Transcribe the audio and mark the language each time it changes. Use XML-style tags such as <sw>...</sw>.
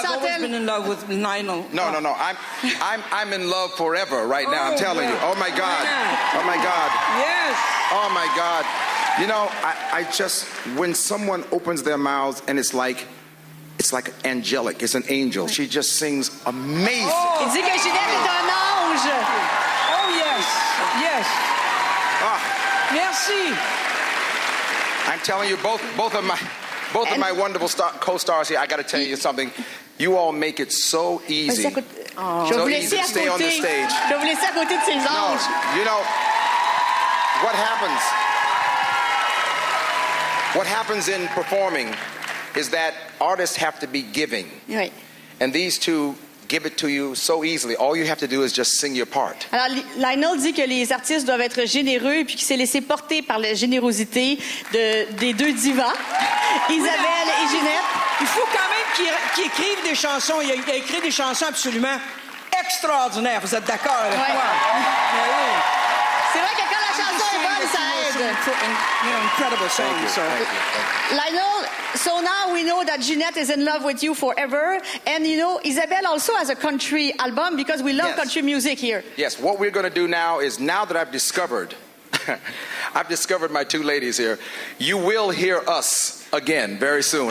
<en>I've always been in love with Lionel. No. I'm in love forever right now. I'm telling you. Oh my God. Yeah. Oh my God. Yes. Oh my God. You know, I just, when someone opens their mouths and it's like angelic, it's an angel. She just sings amazing.</en> <fr>Oh. Il dit que Ginette est un ange.</fr> <en>Oh yes. Yes. Ah.</en> <fr>Merci.</fr> <en>I'm telling you, both of my wonderful co-stars here, I got to tell you something. You all make it so easy. So easy to stay on the stage. No, you know, what happens in performing is that artists have to be giving. Right. And these two give it to you so easily. All you have to do is just sing your part.</en> <fr>Alors, Lionel dit que les artistes doivent être généreux puis qu'ils s'est laissé porter par la générosité des deux divas, Isabelle et Ginette. Il faut quand même qu'ils écrivent des chansons. Il a écrit des chansons absolument extraordinaires. Vous êtes d'accord avec moi? C'est vrai que quand la chanson est bonne, ça aide.</fr> <en>Incredible song, sir. Lionel, so now we know that Ginette is in love with you forever. And, you know, Isabelle also has a country album because we love country music here. Yes, what we're going to do now is, now that I've discovered, I've discovered my two ladies here, you will hear us again very soon.</en>